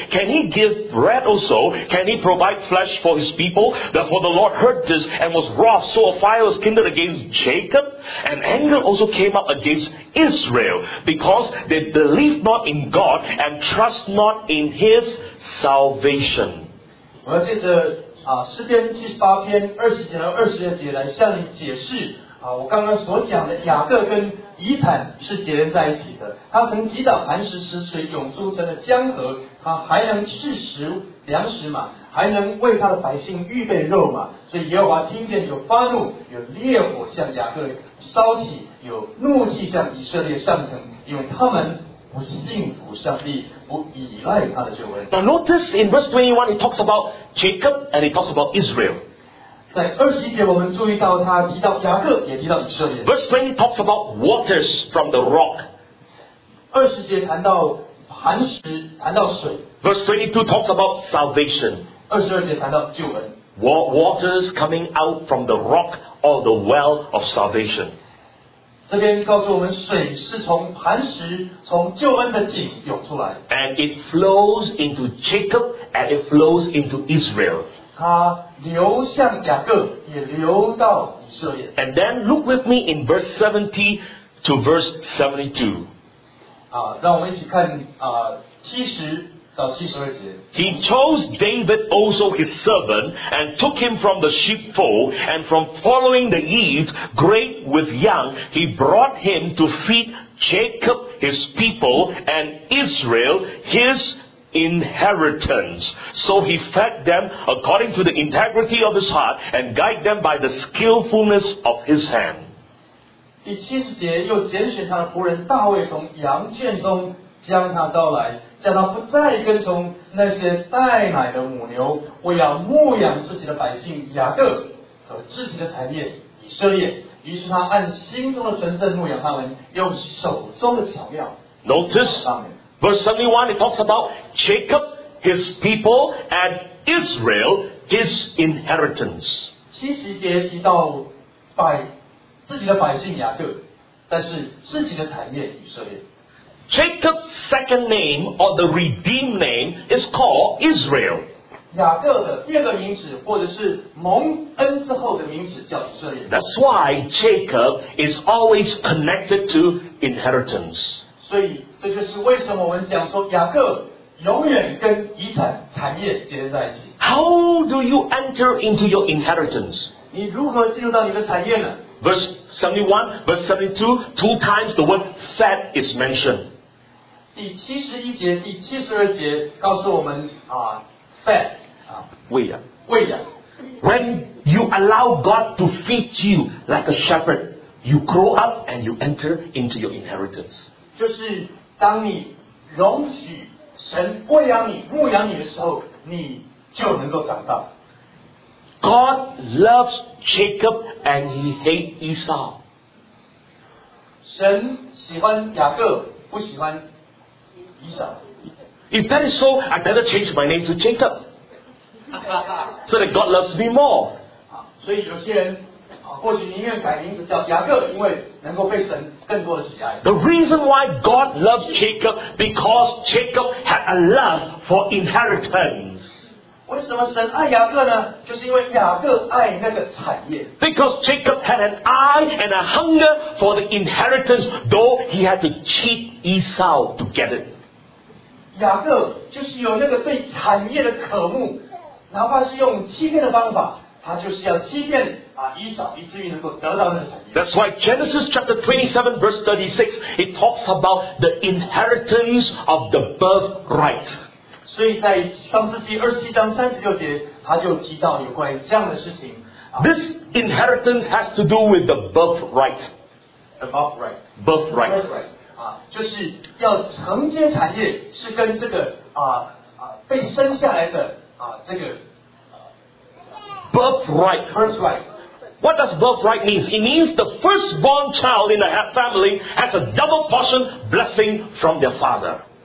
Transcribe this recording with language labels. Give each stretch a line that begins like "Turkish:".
English: Can he give bread also? Can he provide flesh for his people? Therefore the Lord heard this, and was wroth, so a fire was kindled against Jacob, and anger also came up against Israel, because they believed not in God, and trust not in his salvation.
Chinese: 我要借着啊诗篇七十八篇二十节到二十二节来向你解释啊我刚刚所讲的雅各跟遗产是结连在一起的。他曾击倒磐石，使水涌出成了江河，他还能赐食粮食嘛，还能为他的百姓预备肉嘛。所以耶和华听见有发怒，有烈火向雅各烧起，有怒气向以色列上腾，因为他们不信服上帝，不依赖他的救恩。
English: Now notice in verse 21, it talks about Jacob and it talks about Israel.
Chinese: 在二十一节，我们注意到他提到雅各，也提到以色列。
English: Verse 20 talks about waters from the rock.
Chinese: 二十节谈到磐石，谈到水。
English: Verse 22 talks about salvation.
Chinese: 二十二节谈到救恩。
English: Waters coming out from the rock or the well of salvation.
Chinese: 这边告诉我们，水是从磐石，从救恩的井涌出来。
English: And it flows into Jacob and it flows into Israel.
Chinese: 它流向雅各，也流到以色列。
English: And then look with me in verse 70 to verse 72.
Chinese: 让我们一起看70到72节。
English: He chose David also his servant and took him from the sheepfold and from following the ewes, great with young, he brought him to feed Jacob his people and Israel his inheritance. So he fed them according to the integrity of his heart and guided them by the skillfulness of his hand.
Chinese: 第70节又拣选他的仆人大卫从羊圈中将他招来，叫他不再跟从那些带奶的母牛，为要牧养自己的百姓雅各和自己的产业以色列。于是他按心中的纯正牧养他们，用手中的巧妙。
English: Notice verse 71, it talks about Jacob, his people, and Israel, his inheritance.
Chinese: 七十节提到自己的百姓雅各，但是自己的产业以色列。
English: Jacob's second name or the redeemed name is called Israel.
Chinese: 雅各的第二个名字或者是蒙恩之后的名字叫以色列。
English: That's why Jacob is always connected to inheritance.
Chinese: 所以这就是为什么我们讲说雅各永远跟遗产产业结合在一起。
English: How do you enter into your inheritance?
Chinese: 你如何进入到你的产业呢？
English: Verse 71, verse 72, two times the word fed is mentioned.
Chinese: 第七十一节、第七十二节告诉我们啊 ，fed 啊，喂养，喂养。
English: When you allow God to feed you like a shepherd, you grow up and you enter into your inheritance.
Chinese: 就是当你容许神喂养你、牧养你的时候，你就能够长大。
English: God loves Jacob and he hates Esau.
Chinese: 神喜欢雅各，不喜欢以扫。
English: If that is so, I better change my name to Jacob. So that God loves me more.
Chinese: 所以有些人或许宁愿改名字叫雅各，因为能够被神更多的喜爱。
English: The reason why God loves Jacob because Jacob had a love for inheritance.
Chinese: 为什么神爱雅各呢？就是因为雅各爱那个产业。
English: Because Jacob had an eye and a hunger for the inheritance, though he had to cheat Esau to get it.
Chinese: 雅各就是有那个对产业的渴慕，哪怕是用欺骗的方法，他就是要欺骗以扫，以至于能够得到那个产业。
English: That's why Genesis chapter 27 verse 36 it talks about the inheritance of the birthright.
Chinese: 所以在创世纪二十七章三十六节，他就提到有关于这样的事情。
English: This inheritance has to do with the birthright. The birthright. Birthright. Birthright.
Chinese: 就是要承接产业，是跟这个被生下来的这个
English: birthright. Birthright. What does birthright means? It means the firstborn child in the family has a double portion blessing from their father.